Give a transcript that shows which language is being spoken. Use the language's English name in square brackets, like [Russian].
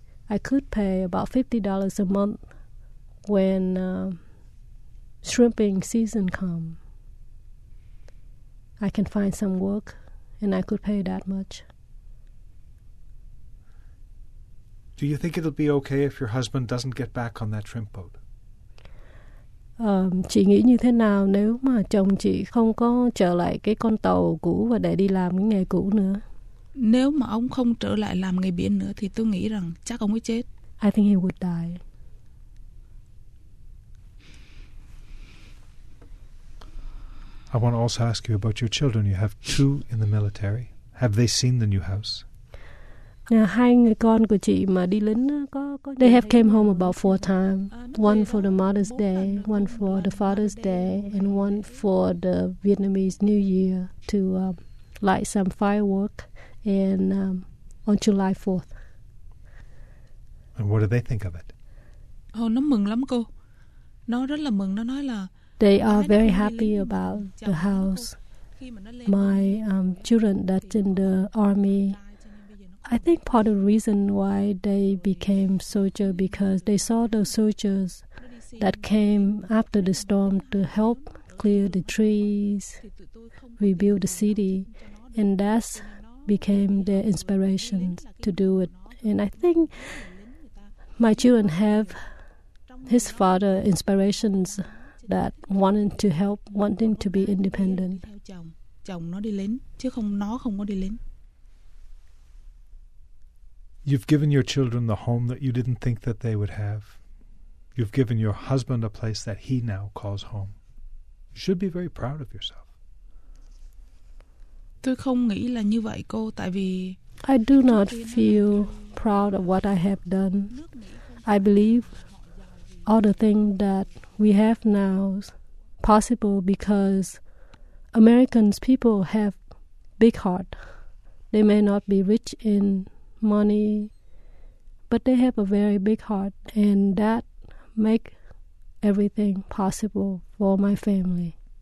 [English] I could pay about $50 a month when shrimping season comes. I can find some work. And I could pay that much. Do you think it'll be okay if your husband doesn't get back on that shrimp boat? [Vietnamese] Chị nghĩ như thế nào nếu mà chồng chị không có trở lại cái con tàu cũ và để đi làm cái nghề cũ nữa? Nếu mà ông không trở lại làm nghề biển nữa thì tôi nghĩ rằng chắc ông ấy chết. [English] I think he would die. I want to also ask you about your children. You have two in the military. Have they seen the new house? [Vietnamese] Hai người con của chị mà đi lính, [English] they have came home about 4 times. One for the Mother's Day, one for the Father's Day, and one for the Vietnamese New Year to light some firework and on July 4th. And what do they think of it? [Vietnamese] Oh, nó mừng lắm cô. Nó rất là mừng. Nó nói là [English] they are very happy about the house. My children that's in the army, I think part of the reason why they became soldiers because they saw those soldiers that came after the storm to help clear the trees, rebuild the city, and that became their inspiration to do it. And I think my children have his father inspirations that wanting to help, wanting to be independent. [Vietnamese] Chồng nó đi lính, chứ không nó không có đi lính. [English] You've given your children the home that you didn't think that they would have. You've given your husband a place that he now calls home. You should be very proud of yourself. [Vietnamese] Tôi không nghĩ là như vậy cô, tại vì [English] I do not feel proud of what I have done. I believe all the things that we have now is possible because Americans people have big heart. They may not be rich in money, but they have a very big heart, and that make everything possible for my family.